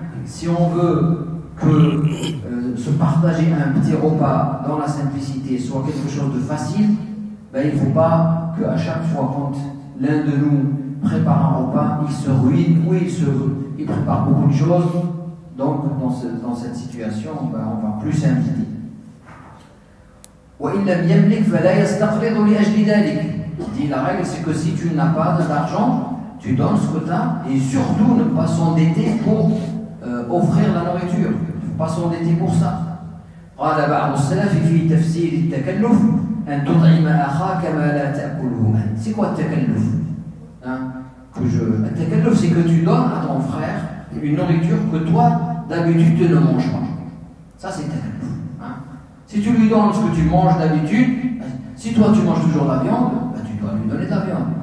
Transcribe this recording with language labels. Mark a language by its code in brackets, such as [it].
[fr] si on veut que se partager un petit repas dans la simplicité soit quelque chose de facile, ben, il ne faut pas qu'à chaque fois quand l'un de nous prépare un repas, il se ruine ou il prépare beaucoup de choses. Donc, dans cette situation, ben, on va plus s'inviter. [ar] وإن لم يملك فلا يستقرض لأجل ذلك. [fr] Dit la règle, c'est que si tu n'as pas d'argent, tu donnes ce que tu as et surtout ne pas s'endetter pour offrir la nourriture. Pas s'endetter pour ça. [ar] قال بعض السلف في تفسير التكلف أن تطعم أخاك ما لا تأكله. [fr] C'est quoi le تكلف? Le تكلف, c'est que tu donnes à ton frère une nourriture que toi, d'habitude, tu ne manges pas. Ça, c'est le تكلف. Si tu lui donnes ce que tu manges d'habitude, si toi tu manges toujours de la viande, ben tu dois lui donner de la viande.